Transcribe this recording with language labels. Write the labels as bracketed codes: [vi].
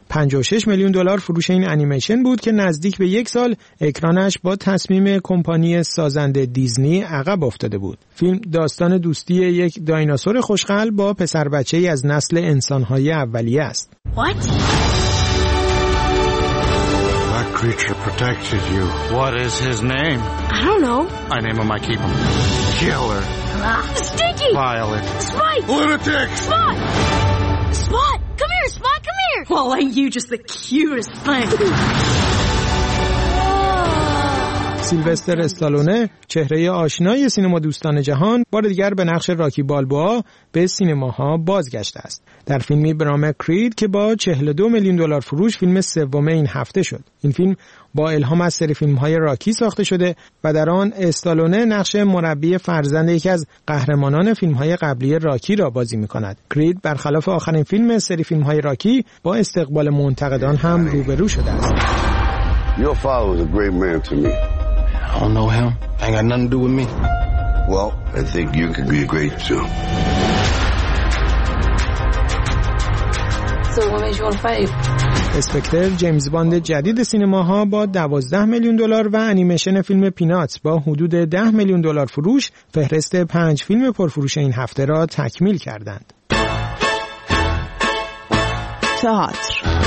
[fa] 56 میلیون دلار فروش این انیمیشن بود که نزدیک به یک سال اکرانش با تصمیم کمپانی سازنده دیزنی عقب افتاده بود. فیلم داستان دوستی یک دایناسور خوشقلب با پسر بچه‌ای از نسل انسان‌های اولیه است. [en] What? Creature protected you. What is his name? I don't know. I name him, I keep him. Killer. Stinky. Violet. Spike. Lunatic. Spot. Spot. Come here, Spot, come here. Well, ain't you just the cutest thing? [fa] سیلوستر استالونه، چهره آشنای سینما دوستان جهان، بار دیگر به نقش راکی بالبوا به سینماها بازگشته است. در فیلمی به نام کرید که با 42 میلیون دلار فروش فیلم سوم این هفته شد. این فیلم با الهام از سری فیلم‌های راکی ساخته شده و در آن استالونه نقش مربی فرزند یکی از قهرمانان فیلم‌های قبلی راکی را بازی می‌کند. کرید برخلاف آخرین فیلم سری فیلم‌های راکی با استقبال منتقدان هم روبرو شده است. [en] Your father was a great man to me. I don't know him. Ain't got nothing to do with me. Well, I think you could be great too. So what made you want to fight? [fa] اسپکتر جیمز باند جدید سینماها با 12 میلیون دلار و انیمیشن فیلم پینات با حدود 10 میلیون دلار فروش فهرست 5 فیلم پرفروش این هفته را تکمیل کردند. تئاتر.